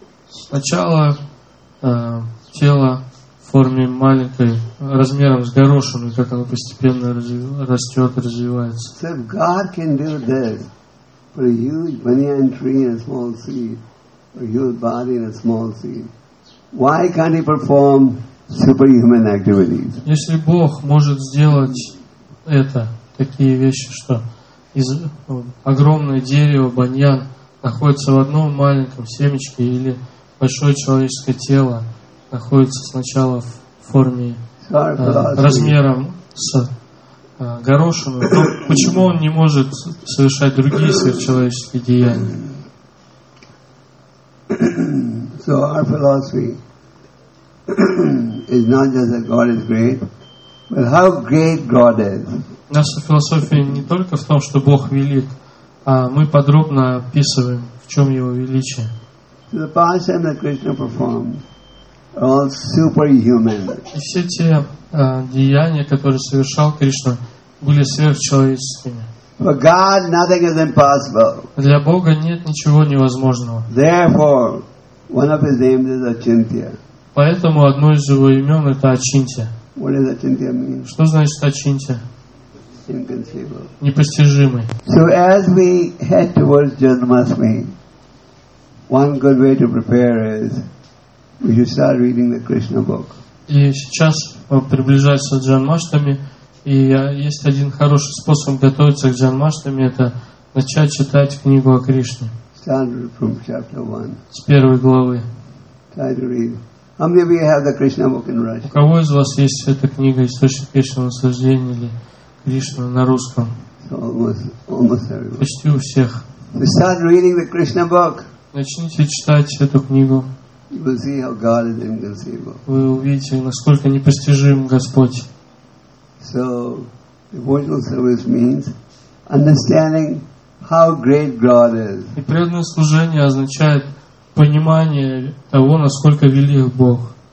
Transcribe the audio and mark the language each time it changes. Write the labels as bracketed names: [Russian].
[Russian] Сначала тело в форме маленькой, размером с горошину, как оно постепенно растет, развивается. [English] So if God can do this for a huge banyan tree and a small seed, a huge body and a small seed, why can't he perform superhuman activities? [Russian] Если Бог может сделать это, такие вещи, что из огромное дерево баньян находится в одном маленьком семечке или большое человеческое тело находится сначала в форме размером с горошину, то почему он не может совершать другие сверхчеловеческие деяния? [English] So our philosophy is not just that God is great, but how great God is. [Russian] Наша философия не только в том, что Бог велик, а мы подробно описываем, в чем его величие. [English] So the pastimes that Krishna performed are all superhuman. [Russian] И все те деяния, которые совершал Кришна, были сверхчеловеческими. [English] For God, nothing is impossible. [Russian] Для Бога нет ничего невозможного. [English] Therefore, one of his names is Achintya. [Russian] Поэтому одно из его имен это Ачинтья. Что значит Ачинтья? Непостижимый. [English] So as we head towards Janmasthami, one good way to prepare is we should start reading the Krishna book. [Russian] И сейчас приближается Джанмаштами, и есть один хороший способ готовиться к Джанмаштами, это начать читать книгу о Кришне. [English] Start from chapter one. [Russian] С первой главы. [English] Try to read. How many of you have the Krishna book in Russian? [Russian] У кого из вас есть эта книга «Источник вечного наслаждения» или Кришна на русском? [English] So almost everyone. [Russian] Почти у всех. [English] So start reading the Krishna book. [Russian] Начните читать эту книгу. [English] You will see how God is inconceivable. [Russian] Вы увидите, насколько непостижим Господь. [English] So devotional service means understanding how great God is. [Russian] И преданное служение означает понимание того, насколько велик Бог.